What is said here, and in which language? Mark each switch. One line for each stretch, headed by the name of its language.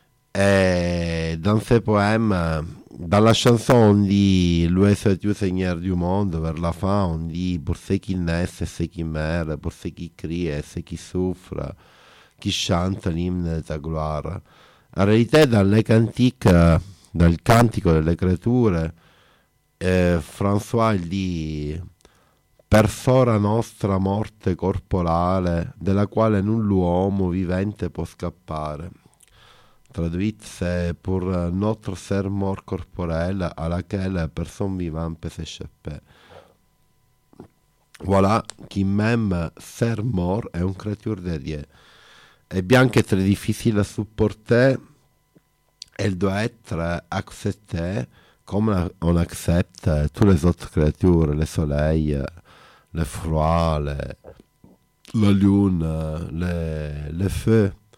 French: E dans ce poème, dans la chanson, on dit lui est Dieu Seigneur du monde, vers la fin, on dit pour ceux qui naissent, ceux qui meurent, pour ceux qui crient, ceux qui souffrent, qui chantent l'hymne de ta gloire. En réalité, dans les cantiques, dans le cantico delle creature, François dit.
Italian: Persora nostra morte corporale, della quale null'uomo vivente può scappare.
French: Traduisse pour notre ser mort corporel, à laquelle personne vivant peut s'échapper. Voilà, qui même ser mort est un créature de Dieu. Et bien que très difficile à supporter, elle doit être acceptée, comme on accepte toutes les autres créatures, le soleil, le froid, la lune, le feu.